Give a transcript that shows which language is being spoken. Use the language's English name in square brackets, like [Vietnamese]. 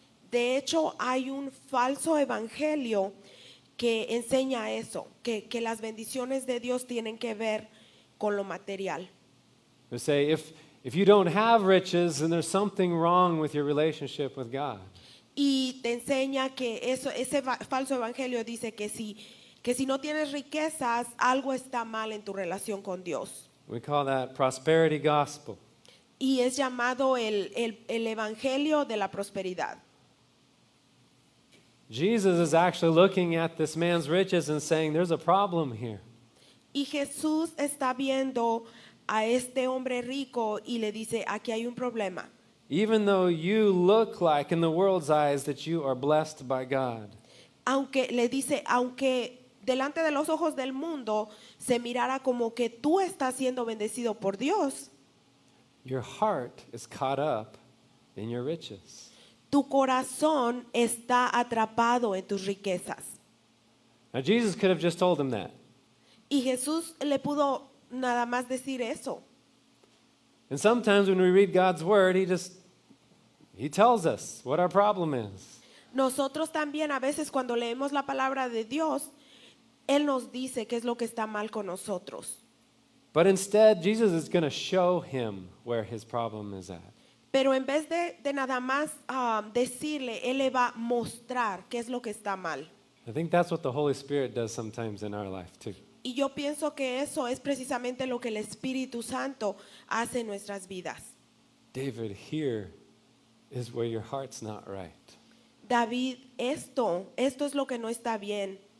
[Spanish] De hecho, hay un falso evangelio que enseña eso, que las bendiciones de Dios tienen que ver con lo material. [English] They say, if you don't have riches, then there's something wrong with your relationship with God. [Spanish] Y te enseña que eso, ese falso evangelio dice que si no tienes riquezas, algo está mal en tu relación con Dios. [English] We call that prosperity gospel. [Spanish] Y es llamado el evangelio de la prosperidad. [English] Jesus is actually looking at this man's riches and saying, "There's a problem here." [Spanish] Y Jesús está viendo a este hombre rico y le dice, "Aquí hay un problema." [English] Even though you look like in the world's eyes that you are blessed by God. [Spanish] Aunque le dice, aunque delante de los ojos del mundo se mirara como que tú estás siendo bendecido por Dios. [English] Your heart is caught up in your riches. [Spanish] Tu corazón está atrapado en tus riquezas. [English] Now Jesus could have just told him that. [Spanish] Y Jesús le pudo nada más decir eso. [English] And sometimes when we read God's word, he tells us what our problem is. [Spanish] Nosotros también a veces cuando leemos la palabra de Dios, él nos dice qué es lo que está mal con nosotros. [English] But instead, Jesus is going to show him where his problem is at. [Spanish] Pero en vez de nada más decirle, él le va a mostrar qué es lo que está mal. [English] I think that's what the Holy Spirit does sometimes in our life too. [Spanish] Y yo pienso que eso es precisamente lo que el Espíritu Santo hace en nuestras vidas. [English] David, here is where your heart's not right. [Spanish] David, esto es lo que no está bien.